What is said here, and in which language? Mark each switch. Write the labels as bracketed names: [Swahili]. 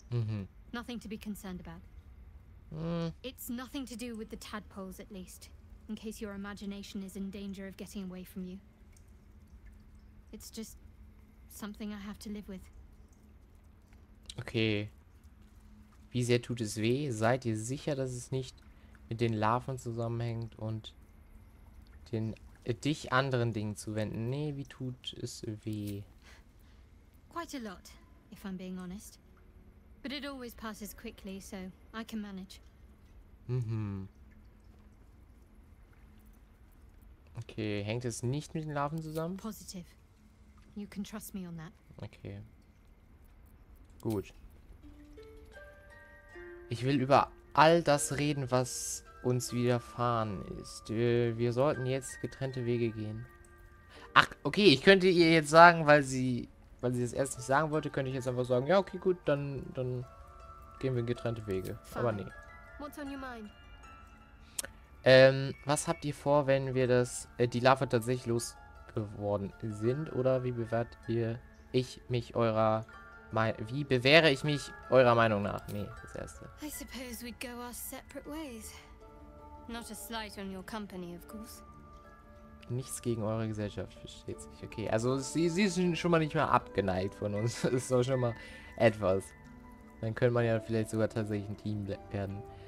[English] Mm-hmm. Nothing to be concerned about. It's nothing to do with the tadpoles, at least, in case your imagination is in danger of getting away from you. It's just something I have to live with. [German] Okay. Wie sehr tut es weh? Seid ihr sicher, dass es nicht mit den Larven zusammenhängt und den dich anderen Dingen zuwenden? Nee, wie tut es weh? [English] Quite a lot, if I'm being honest. But it always passes quickly, so I can manage. Mhm. [German] Okay, hängt es nicht mit den Larven zusammen? [English] Positive. You can trust me on that. [German] Okay. Gut. Ich will über all das reden, was uns widerfahren ist. Wir sollten jetzt getrennte Wege gehen. Ach, okay, ich könnte ihr jetzt sagen, weil sie das erst nicht sagen wollte, könnte ich jetzt einfach sagen, ja, okay, gut, dann gehen wir in getrennte Wege. Aber nee. [English] What's on your mind? [German] Was habt ihr vor, wenn wir die Larve tatsächlich losgeworden sind? Oder wie bewähre ich mich eurer Meinung nach? Nee, das erste. [English] I suppose we'd go our separate ways. Not a slight on your company, of course. [German] Nichts gegen eure Gesellschaft, versteht sich. Okay, also sie sind schon mal nicht mehr abgeneigt von uns. Das ist doch schon mal etwas. Dann könnte man ja vielleicht sogar tatsächlich ein Team werden.